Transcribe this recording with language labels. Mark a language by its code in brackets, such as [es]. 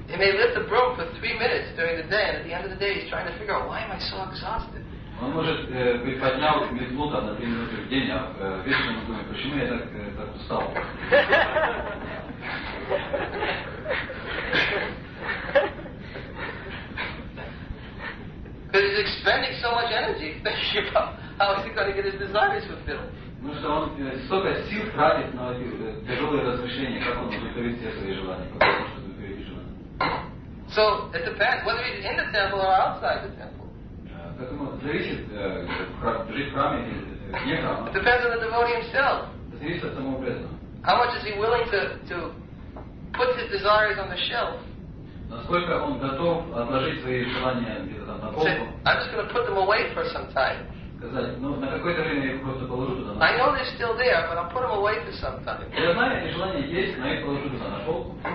[en] He may lift a broom for 3 minutes during the day, and at the end of the day, he's trying to figure out why am I so exhausted. [ru] Он может приподнял метлу там на 3 минуты в день, а вечером он думает, почему я так устал. [en] Because he's expending so much energy thinking about how is he going to get his desires fulfilled. [ru] Ну что он столько сил тратит на эти тяжелые размышления, как он будет удовлетворить все свои желания, потому что будет удовлетворить желания. [en] So it depends whether he's in the temple or outside the temple. [ru] Поэтому зависит жить в храме или вне храма. [en] It depends on the devotee himself. [ru] Зависит от самого преданного. [en] How much is he willing to put his desires on the shelf? [ru] Насколько он готов отложить свои желания где-то там на полку? [en] I'm just going to put them away for some time. [ru] Сказать, ну на какое-то время я их просто положу туда. [en] I know they're still there, but I'll put them away for some time. [ru] Я знаю, эти желания есть, но я их положу туда на полку.